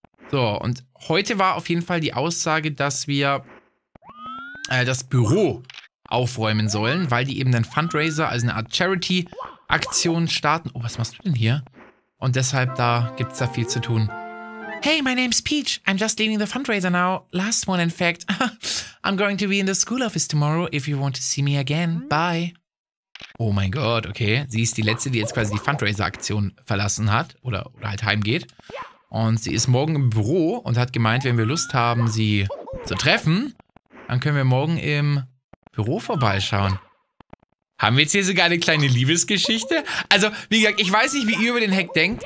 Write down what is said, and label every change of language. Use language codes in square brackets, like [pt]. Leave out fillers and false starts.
[de] So, und heute war auf jeden Fall die Aussage, dass wir das Büro aufräumen sollen, weil die eben einen Fundraiser, also eine Art Charity Aktion starten. Oh, was machst du denn hier? Und deshalb, da gibt's da viel zu tun. [en] Hey, my name's Peach. I'm just leading the fundraiser now. Last one, in fact. I'm going to be in the school office tomorrow, if you want to see me again. Bye. [de] Oh mein Gott, okay. Sie ist die Letzte, die jetzt quasi die Fundraiser-Aktion verlassen hat. Oder halt heimgeht. Und sie ist morgen im Büro und hat gemeint, wenn wir Lust haben, sie zu treffen, dann können wir morgen im Büro vorbeischauen. Haben wir jetzt hier sogar eine kleine Liebesgeschichte? Also, wie gesagt, ich weiß nicht, wie ihr über den Hack denkt.